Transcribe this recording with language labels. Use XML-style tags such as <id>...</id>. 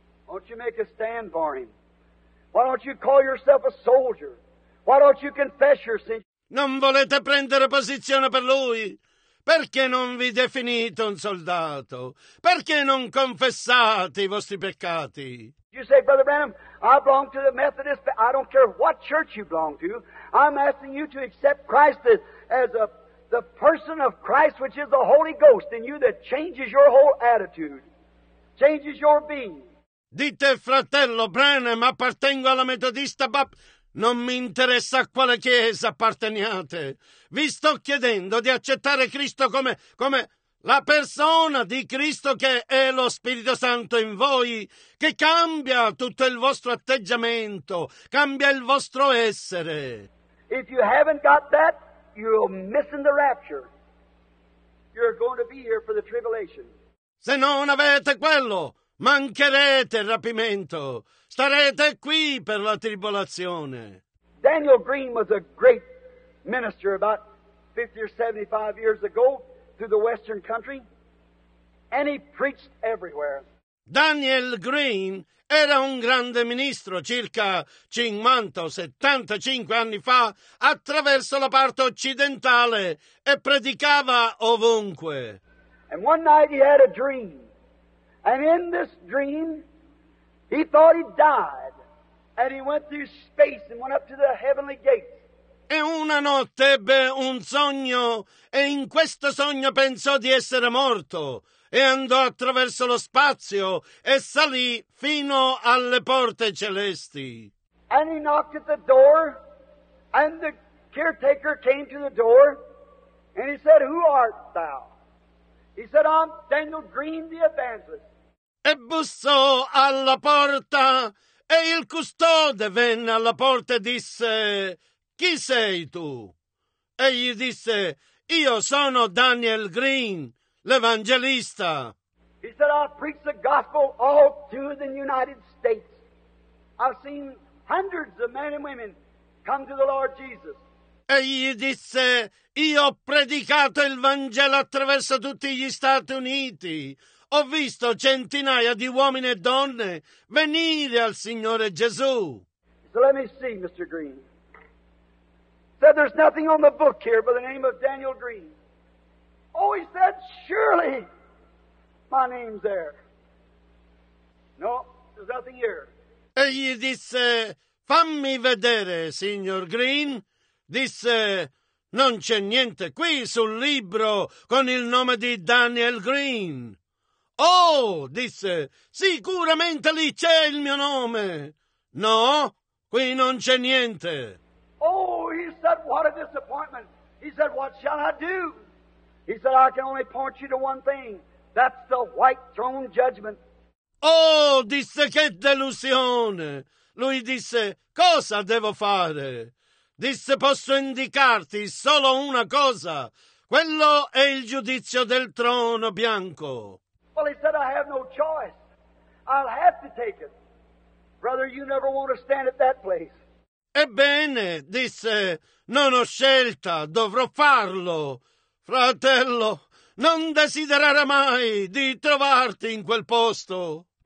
<en>Won't you make a stand for him? Why don't you call yourself a soldier? Why don't you confess your sin?</en> <it>Non volete prendere posizione per lui? Perché non vi definite un soldato? Perché non confessate i vostri peccati?</it> <en>You say, Brother Branham, I belong to the Methodist, but I don't care what church you belong to. I'm asking you to accept Christ as the person of Christ, which is the Holy Ghost in you that changes your whole attitude, changes your being.</en> <it>Dite, fratello Branham, appartengo alla Metodista non mi interessa a quale chiesa apparteniate. Vi sto chiedendo di accettare Cristo come la persona di Cristo che è lo Spirito Santo in voi, che cambia tutto il vostro atteggiamento, cambia il vostro essere.</it> <en>If you haven't got that, you're missing the rapture. You're going to be here for the tribulation.</en> <it>Se non avete quello, mancherete il rapimento. Starete qui per la tribolazione.</it> <en>Daniel Green was a great minister about 50 or 75 years ago to the western country, and he preached everywhere.</en> <it>Daniel Green era un grande ministro circa 50 o 75 anni fa attraverso la parte occidentale e predicava ovunque.</it> <en>And one night he had a dream. And in this dream, he thought he died. And he went through space and went up to the heavenly gates.</en> <it>E una notte ebbe un sogno, e in questo sogno pensò di essere morto. E andò attraverso lo spazio e salì fino alle porte celesti.</it> <en>And he knocked at the door, and the caretaker came to the door, and he said, "Who art thou?" He said, "I'm Daniel Green, the evangelist."</en> <it>E bussò alla porta, e il custode venne alla porta e disse, "Chi sei tu?" E gli disse, "Io sono Daniel Green, l'evangelista."</it> <en>He said, "I've preached the gospel all through the United States. I've seen hundreds of men and women come to the Lord Jesus."</en> <it>E gli disse, "Io ho predicato il Vangelo attraverso tutti gli Stati Uniti. Ho visto centinaia di uomini e donne venire al Signore Gesù."</it> <en>So let me see, Mr. Green. Said, "There's nothing on the book here by the name of Daniel Green." "Oh," he said, "surely my name's there." "No, there's nothing here."</en> <it>E gli disse, "Fammi vedere, signor Green." Disse, "Non c'è niente qui sul libro con il nome di Daniel Green." "Oh," disse, "sicuramente lì c'è il mio nome." "No, qui non c'è niente."</it> <en>"Oh," he said, "what a disappointment." He said, "What shall I do?" He said, "I can only point you to one thing. That's the white throne judgment."</en> <it>"Oh," disse, "che delusione." Lui disse, "Cosa devo fare?" Disse, "Posso indicarti solo una cosa. Quello è il giudizio del trono bianco."</it> <en>"Well," he said, "I have no choice. I'll have to take it. Brother, you never want to stand at that place."</en> <it>"Ebbene," disse, "non ho scelta, dovrò farlo. Fratello, non desiderare mai di trovarti in quel posto."</it>